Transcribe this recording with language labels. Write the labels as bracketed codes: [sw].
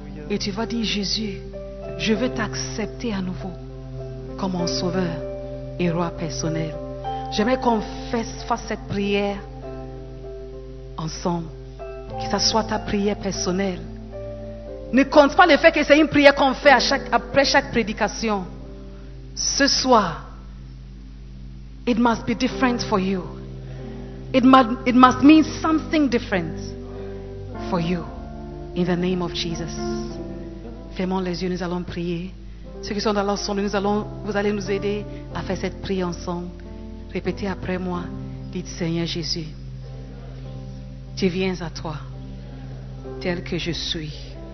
[fr] Et tu vas dire, Jésus, je veux t'accepter à nouveau comme mon sauveur et roi personnel. J'aimerais qu'on fasse cette prière ensemble. Que ça soit ta prière personnelle. Ne compte pas le fait que c'est une prière qu'on fait après chaque prédication. Ce soir, [en] it must be different for you. It must mean something different for you. In the name of Jesus. [fr] Fermons les yeux, nous allons prier. Ceux qui sont dans l'ensemble, vous allez nous aider à faire cette prière ensemble. Répétez après moi. Dites, Seigneur Jésus, je viens à toi tel que je suis.